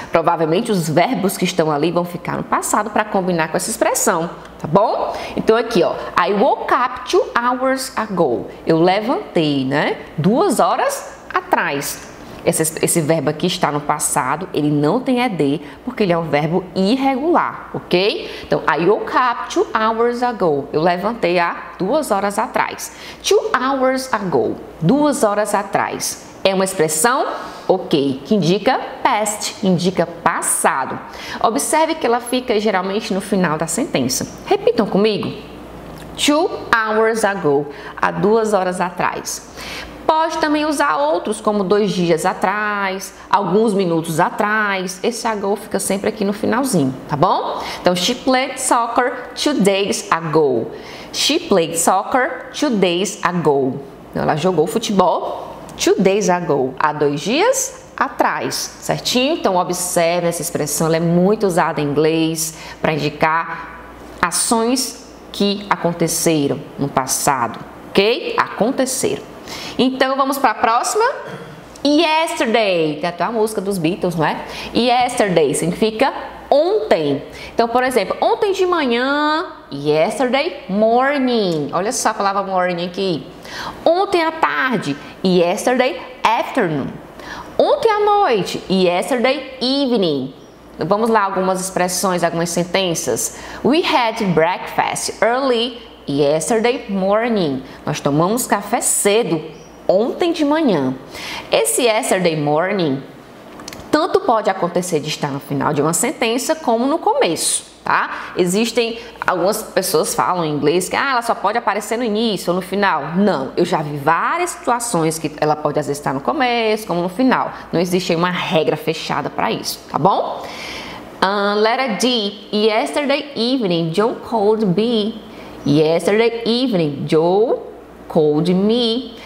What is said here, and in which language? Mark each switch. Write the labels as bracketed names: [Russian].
[Portuguese] Provavelmente os verbos que estão ali vão ficar no passado para combinar com essa expressão, tá bom? Então aqui, ó, [English] I woke up 2 hours ago. [Portuguese] Eu levantei, né? 2 horas atrás. Esse verbo aqui está no passado, ele não tem ED, porque ele é um verbo irregular, ok? [English] Então, I woke up 2 hours ago. [Portuguese] Eu levantei há 2 horas atrás. [English] 2 hours ago. [Portuguese] 2 horas atrás. É uma expressão, ok, que indica past, indica passado. Observe que ela fica geralmente no final da sentença. Repitam comigo. [English] 2 hours ago. [Portuguese] Há 2 horas atrás. Pode também usar outros, como 2 dias atrás, alguns minutos atrás. Esse ago fica sempre aqui no finalzinho, tá bom? [English] Então, she played soccer 2 days ago. She played soccer 2 days ago. [Portuguese] Então, ela jogou futebol [English] 2 days ago. [Portuguese] Há 2 dias atrás, certinho? Então, observe essa expressão. Ela é muito usada em inglês para indicar ações que aconteceram no passado, ok? Aconteceram. Então, vamos para a próxima. Yesterday. Tem até a música dos Beatles, não é? Yesterday significa ontem. Então, por exemplo, ontem de manhã. [English] Yesterday morning. [Portuguese] Olha só a palavra morning aqui. Ontem à tarde. [English] Yesterday afternoon. [Portuguese] Ontem à noite. [English] Yesterday evening. [Portuguese] Vamos lá, algumas expressões, algumas sentenças. [English] We had breakfast early yesterday morning. [Portuguese] Nós tomamos café cedo ontem de manhã. Esse yesterday morning tanto pode acontecer de estar no final de uma sentença como no começo, tá? Existem algumas pessoas falam em inglês que ela só pode aparecer no início ou no final. Não, eu já vi várias situações que ela pode às vezes estar no começo como no final. Não existe uma regra fechada para isso, tá bom? [English] Letter D. Yesterday evening, John called me. Yesterday evening, Joe called me.